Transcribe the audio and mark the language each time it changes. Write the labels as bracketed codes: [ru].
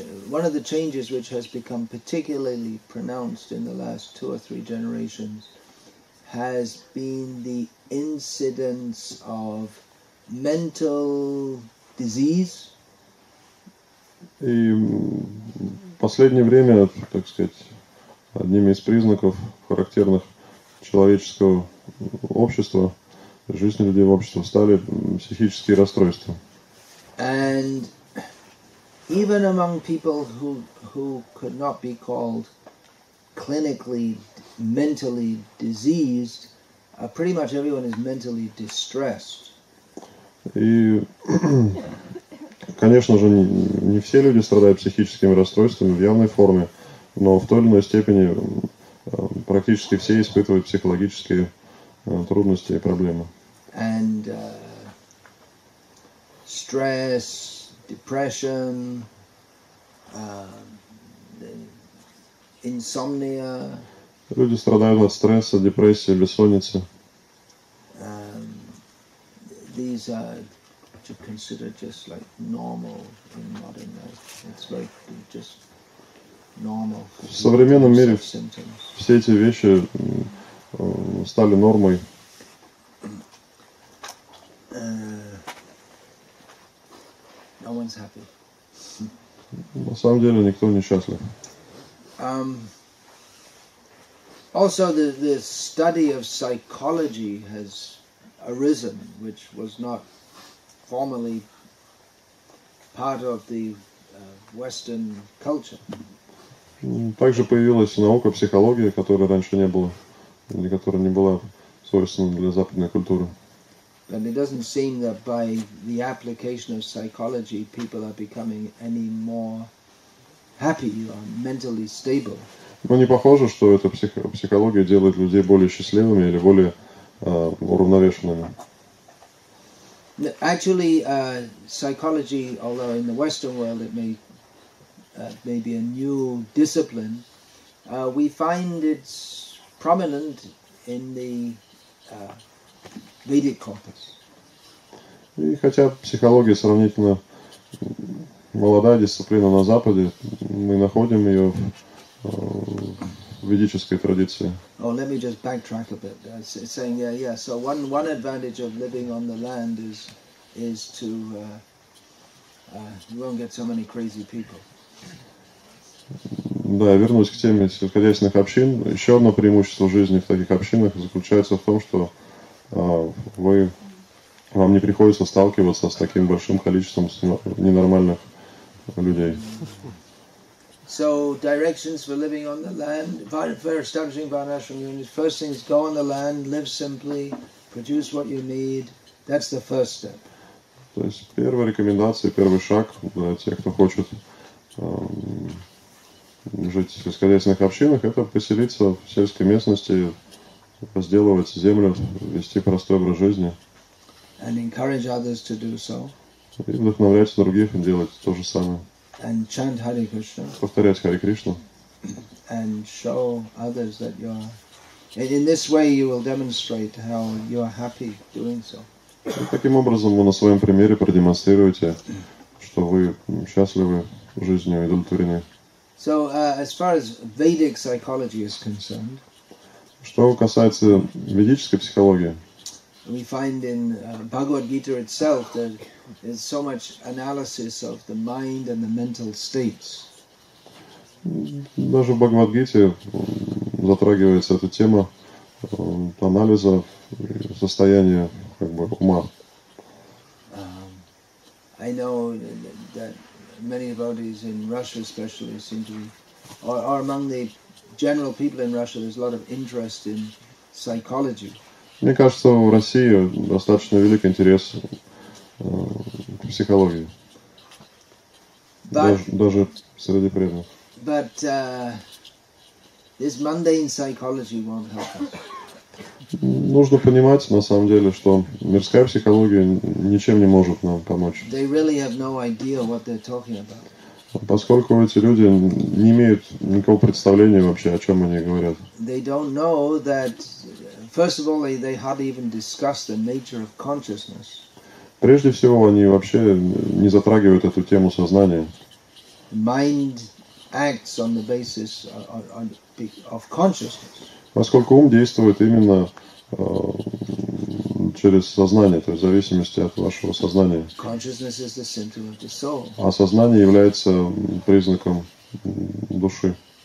[en] One of the changes which has become particularly pronounced in the last two or three generations has been the incidence of mental disease. [ru] И в последнее время, так сказать, одним из признаков, характерных человеческого общества, жизни людей в обществе, стали психические расстройства. [en] And even among people who could not be called clinically mentally diseased, pretty much everyone is mentally distressed. [ru] И конечно же, не все люди страдают психическими расстройствами в явной форме, но в той или иной степени практически все испытывают психологические трудности и проблемы. [en] And stress, depression, insomnia. [ru] Люди страдают от стресса, депрессии, бессонницы. [en] These are to consider just like normal in modern life. It's like just normal. [ru] В современном мире все эти вещи стали нормой. [en] No one's happy. [ru] На самом деле никто не счастлив. [en] Also the study of psychology has arisen, which was not formerly part of the Western culture. [ru] Также появилась наука психология, которая раньше не была, или которая не была свойственна для западной культуры. [en] And it doesn't seem that by the application of psychology, people are becoming any more happy or mentally stable. [ru] Но не похоже, что эта психология делает людей более счастливыми или более уравновешенными. [en] Actually, psychology, although in the Western world it may be a new discipline, we find it's prominent in the Vedic corpus. [ru] И хотя психология сравнительно молодая дисциплина на Западе, мы находим ее в ведической традиции. [en] Oh, let me just backtrack a bit. Saying So one advantage of living on the land is to you won't get so many crazy people. [ru] Да, вернусь к теме сельскохозяйственных общин. Еще одно преимущество жизни в таких общинах заключается в том, что вам не приходится сталкиваться с таким большим количеством ненормальных людей. [en] So directions for living on the land, for establishing Varnashram units, first thing is go on the land, live simply, produce what you need. That's the first step. [ru] То есть первая рекомендация, первый шаг для тех, кто хочет жить в сельскохозяйственных общинах, это поселиться в сельской местности, возделывать землю, вести простой образ жизни. [en] And encourage others to do so. [ru] И вдохновлять других делать то же самое. [en] And chant Hare Krishna. [ru] Повторять Харе Кришну. [en] And show others that you are. In this way you will demonstrate how you are happy doing so. [ru] И таким образом вы на своем примере продемонстрируете, что вы счастливы жизнью и удовлетворены. [en] So as far as Vedic psychology is concerned, [ru] что касается ведической психологии, [en] we find in Bhagavad Gita itself that there's so much analysis of the mind and the mental states. [ru] Даже в Бхагавад-гите затрагивается эта тема анализа состояния как бы ума. [en] I know that many devotees in Russia especially seem to be, or among the general people in Russia, there's a lot of interest in psychology. [ru] Мне кажется, в России достаточно велик интерес к психологии. Даже среди преданных. [en] But this mundane psychology won't help us. [ru] Нужно понимать, на самом деле, что мирская психология ничем не может нам помочь. [en] They really have no idea what they're talking about. [ru] Поскольку эти люди не имеют никакого представления вообще, о чем они говорят. [en] They don't know that, first of all, they hardly even discuss the nature of consciousness. [ru] Прежде всего, они вообще не затрагивают эту тему сознания. [en] Mind acts on the basis of consciousness. [ru] Поскольку ум действует именно через сознание, то есть в зависимости от вашего сознания. [en] Consciousness is the symptom of the soul. [ru] А сознание является признаком души.